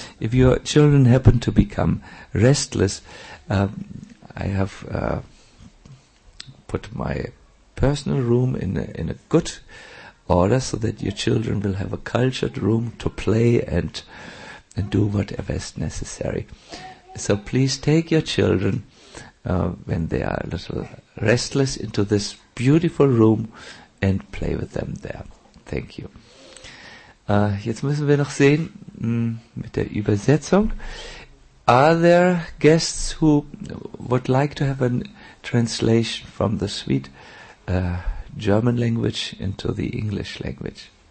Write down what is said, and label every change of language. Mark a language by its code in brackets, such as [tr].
[en] If your children happen to become restless, I have put my personal room in a good order so that your children will have a cultured room to play and do whatever is necessary. So please take your children when they are a little restless into this beautiful room and play with them there. Thank you. [de] Jetzt müssen wir noch sehen mit der Übersetzung. [en] Are there guests who would like to have a translation from the sweet German language into the English language?